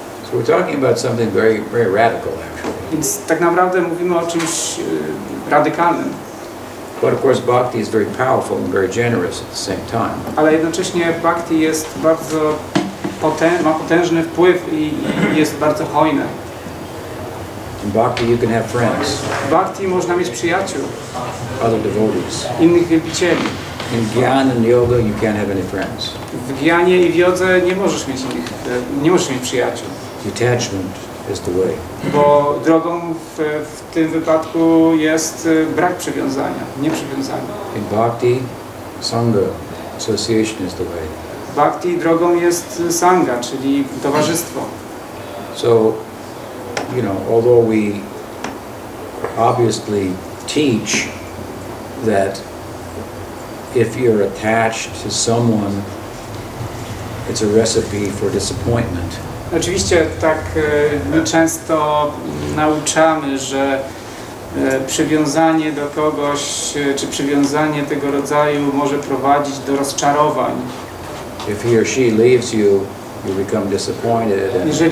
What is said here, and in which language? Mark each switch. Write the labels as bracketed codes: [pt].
[en] So we're talking about something very, very radical, actually. [pl] Więc tak naprawdę mówimy o czymś radykalnym. [en] But of course, bhakti is very powerful and very generous at the same time. [pl] Ale jednocześnie bhakti jest bardzo ma potężny wpływ i jest bardzo hojny. [en] In bhakti, you can have friends. [pl] W bhakti można mieć przyjaciół. [en] Other devotees. [pl] Innych wielbicieli. [en] In gyan and yoga, you can't have any friends. [pl] W gyanie i w jodze nie możesz mieć innych, nie możesz mieć przyjaciół. [en] Detachment is the way. [pl] Bo drogą w tym wypadku jest brak przywiązania, nie przywiązania. [en] In bhakti, sangha, association is the way. [pl] W bhakti drogą jest sangha, czyli towarzystwo. [en] So, you know, although we obviously teach that if you're attached to someone, it's a recipe for disappointment. [pl] Oczywiście tak my często nauczamy, że przywiązanie do kogoś, czy przywiązanie tego rodzaju może prowadzić do rozczarowań. [en] If he or she leaves you, you become disappointed and